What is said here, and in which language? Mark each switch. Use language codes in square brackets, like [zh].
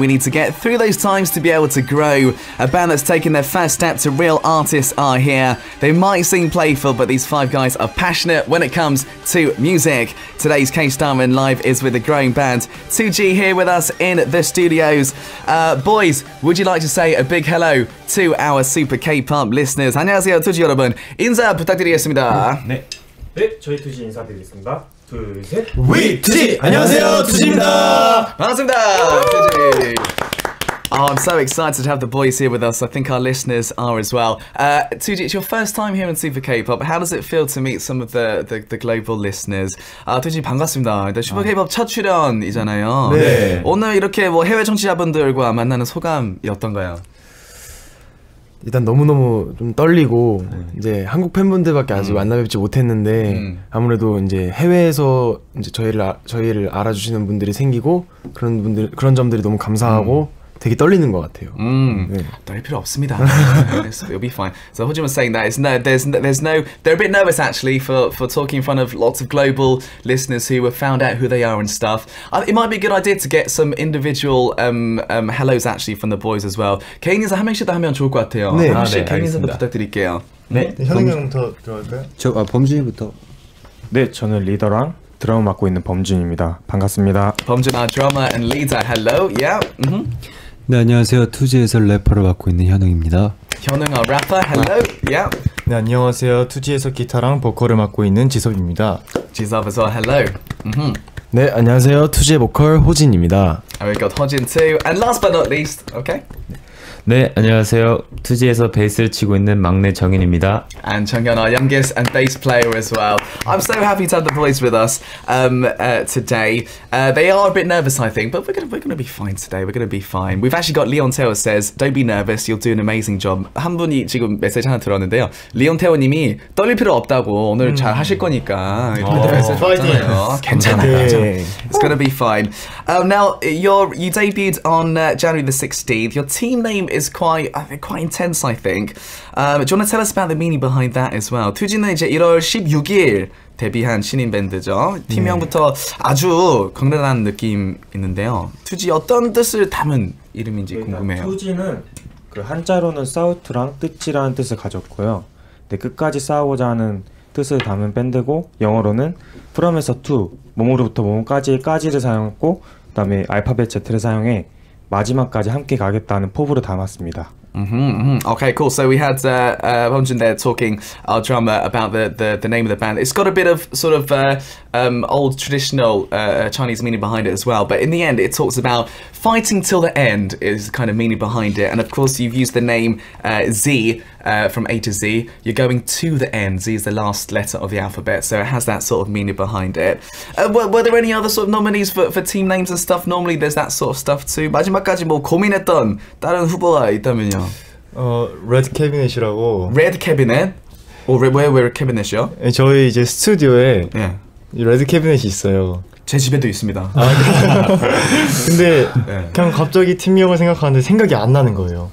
[en] We need to get through those times to be able to grow. A band that's taken their first step to real artists are here. They might seem playful, but these five guys are passionate when it comes to music. Today's K-Starman Live is with the growing band. 2G here with us in the studios. Boys, would you like to say a big hello to our Super K-Pop listeners? [ko] 안녕하세요, 투지 여러분. 인사 부탁드리겠습니다. 네. 네, 저희 투지 인사드리겠습니다. 둘, 셋. 위, 투지! 안녕하세요, 투지입니다! 반갑습니다, 투지! [en] Oh, I'm so excited to have the boys here with us. I think our listeners are as well. 2G, it's your first time here in Super K-Pop. How does it feel to meet some of the global listeners? [ko] 2G, 반갑습니다. 네, Super K-Pop 첫 출연이잖아요. 네. 오늘 이렇게 뭐 해외 청취자분들과 만나는 소감이 어떤가요? 일단 너무너무 좀 떨리고 이제 한국 팬분들밖에 아직 만나 뵙지 못했는데 아무래도 이제 해외에서 이제 저희를 알아주시는 분들이 생기고 그런 점들이 너무 감사하고 되게 떨리는 것 같아요. 네. 떨 필요 없습니다. [en] It'll be fine. So Hojin was saying that they're a bit nervous actually for talking in front of lots of global listeners who have found out who they are and stuff. It might be a good idea to get some individual hellos actually from the boys as well. [ko] 개인 인사 한 명씩 다 하면 좋을 것 같아요. 네, 한 명씩 개인 인사도 부탁드릴게요. 네, 현웅 형부터 들어갈까요? 저 범준이부터. 네, 저는 리더랑. 드럼 맡고 있는 범준입니다. 반갑습니다. [en] 범준, our drummer and leader. Hello. Yeah. Mm-hmm. [ko] 네, 안녕하세요. 투지에서 래퍼를 맡고 있는 현웅입니다. [en] 현웅, our rapper. Hello. Yeah. [ko] 네, 안녕하세요. 투지에서 기타랑 보컬을 맡고 있는 지섭입니다. [en] 지섭 as well. Hello. Mm-hmm. [ko] 네, 안녕하세요. 투지의 보컬 호진입니다. [en] And we've got 호진 too. And last but not least, okay. [ko] 네, 안녕하세요. 투지에서 베이스를 치고 있는 막내 정인입니다. [en] And 정현, our youngest and bass player as well. I'm so happy to have the boys with us today. They are a bit nervous, I think, but we're gonna be fine today. We're gonna be fine. We've actually got Leon Taylor says, "Don't be nervous. You'll do an amazing job." [ko] 한 분이 지금 메시지 하나 들었는데요. 리온 태원님이 떨릴 필요 없다고 오늘 잘 하실 거니까. 파이팅이에요. 괜찮아요. 네. [en] It's gonna be fine. Now you debuted on January the 16th. Your team name is quite intense, I think. Do you want to tell us about the meaning behind that as well? [ko] 투지는 이제 1월 16일 데뷔한 신인 밴드죠. 팀명부터 아주 강렬한 느낌 있는데요. 투지 어떤 뜻을 담은 이름인지 궁금해요. 투지는 그 한자로는 사우트랑 뜻이라는 뜻을 가졌고요. 근데 끝까지 싸우고자 하는 뜻을 담은 밴드고 영어로는 from에서 to, 몸으로부터 몸까지를 사용했고 그다음에 알파벳 Z를 사용해 마지막까지 함께 가겠다는 포부를 담았습니다. [en] Okay, cool. So we had Hongjun there talking our drummer about the name of the band. It's got a bit of sort of old traditional Chinese meaning behind it as well. But in the end, it talks about fighting till the end is kind of meaning behind it. And of course, you've used the name Z from A to Z. You're going to the end. Z is the last letter of the alphabet, so it has that sort of meaning behind it. Were there any other sort of nominees for team names and stuff? Normally, there's that sort of stuff too. [ko] 마지막까지 뭐 고민했던 다른 후보가 있다면. 레드 캐비넷이라고. 레드 캐비넷? 왜 캐비넷이요? 저희 이제 스튜디오에 레드 캐비넷이 있어요. 제 집에도 있습니다. 근데 그냥 갑자기 팀명을 생각하는데 생각이 안 나는 거예요.